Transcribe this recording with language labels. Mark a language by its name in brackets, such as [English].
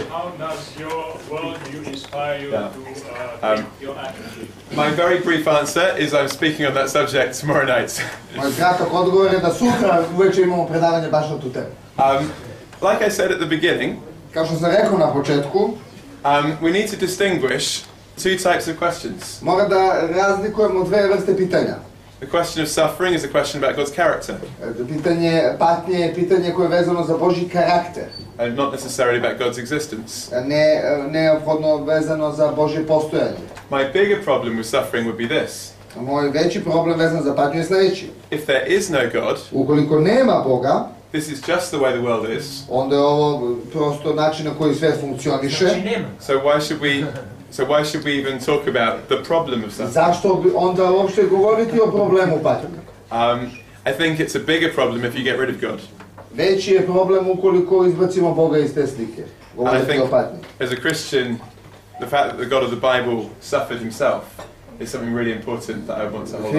[English] And how does your worldview inspire you, yeah, to make your attitude? My very brief answer is I'm speaking on that subject tomorrow night. [Serbian] Moj kratak odgovor je da sutra uveče imamo predavanje baš na tu temu. [English] Like I said at the beginning, [Serbian] kao što sam rekao na početku, [English] we need to distinguish two types of questions. [Serbian] Moramo da razlikujemo dve vrste pitanja. [English] The question of suffering is a question about God's character. [Serbian] Pitanje patnje je pitanje koje je vezano za Božji karakter. [English] And not necessarily about God's existence. [Serbian] Ne neophodno vezano za Božje postojanje. [English] My bigger problem with suffering would be this. [Serbian] Moj veći problem vezan za patnju je sljedeći. [English] If there is no God, [Serbian] ukoliko nema Boga, [English] This is just the way the world is. [Serbian] Onda je ovo prosto način na koji svijet funkcioniše. [English] So why should we even talk about the problem of something? [Serbian] Zašto onda uopšte govoriti o problemu patnika? [English] I think it's a bigger problem if you get rid of God. [Serbian] Veći je problem ukoliko izbacimo Boga iz te slike. [English] I think as a Christian, the fact that the God of the Bible suffered himself is something really important that I want to hold on to.